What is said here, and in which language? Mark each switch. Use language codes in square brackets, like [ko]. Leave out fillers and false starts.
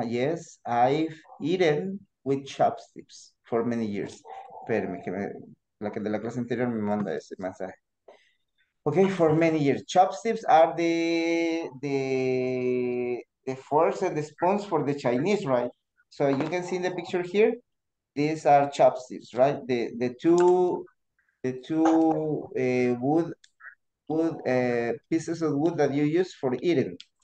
[en] Yes, I've eaten with chopsticks for many years. [es] Espérame, que la que de la clase anterior me manda ese mensaje. [en] Okay, for many years. Chopsticks are the forks and the spoons for the Chinese, right? So you can see in the picture here, these are chopsticks, right? The two pieces of wood that you use for eating.